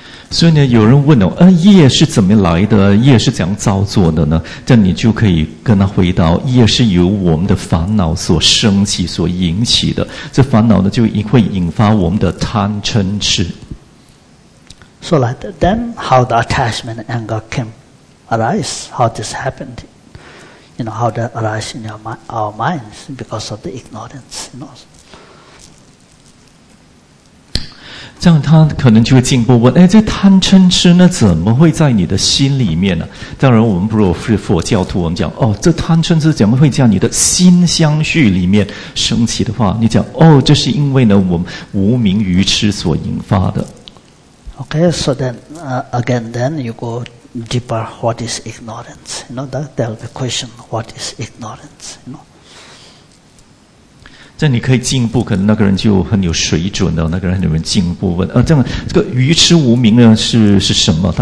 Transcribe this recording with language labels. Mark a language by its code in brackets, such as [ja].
[zh] 所以呢，有人问哦，业是怎么来的？业是怎样造作的呢？这你就可以跟他回答，业是由我们的烦恼所升起、所引起的。这烦恼呢，就会引发我们的贪嗔痴。 [en] So like that, then how the attachment and anger came arise, how this happened, you know, how that arise in our minds because of the ignorance, you know. [zh] 这样他可能就会进一步问，哎，这贪嗔痴呢怎么会在你的心里面呢？当然我们不如是佛教徒，我们讲哦，这贪嗔痴怎么会在你的心相续里面升起的话，你讲哦，这是因为呢我们无明愚痴所引发的。 [en] OK, so then again then you go deeper, what is ignorance? You know, that tells the question, what is ignorance? You know? [zh] 这你可以进步，可能那个人就很有水准的，那个人很有人进步问，这样这个愚痴无明呢是什么？